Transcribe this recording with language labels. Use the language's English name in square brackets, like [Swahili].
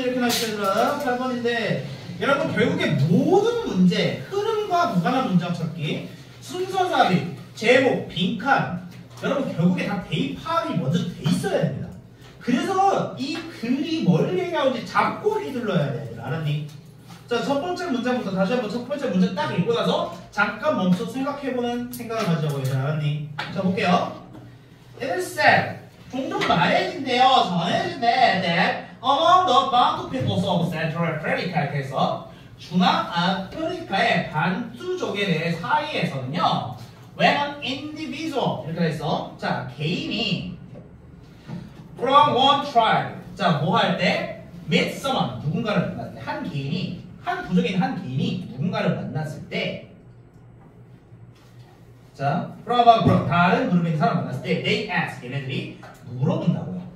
[Korean] 8번인데 여러분 결국에 모든 문제 흐름과 무관한 문장 찾기 순서 삽입 제목 빈칸 여러분 결국에 다 대입 파악이 먼저 돼 있어야 됩니다. 그래서 이 글이 뭘 얘기하는지 잡고 휘둘러야 돼. 알았니? 자, 첫 번째 문장부터 다시 한번 첫 번째 문장 딱 읽고 나서 잠깐 멈춰 생각해보는 생각을 가지고 해. 알았니? 자, 볼게요. [English] It is said 종종 말해진대요. [Korean] 전해진대. 네. Among the bantu peoples of Central Africa 해서 중앙 아프리카의 반투족에 대해 사이에서는요, when an individual 이렇게 해서 자 개인이 from one tribe 자 뭐 할 때 meet someone 누군가를 만났을 때 한 개인이 한 부족인 한 개인이 누군가를 만났을 때 자 from a group 다른 그룹인 사람 만났을 때 they ask 얘네들이 물어본다고요.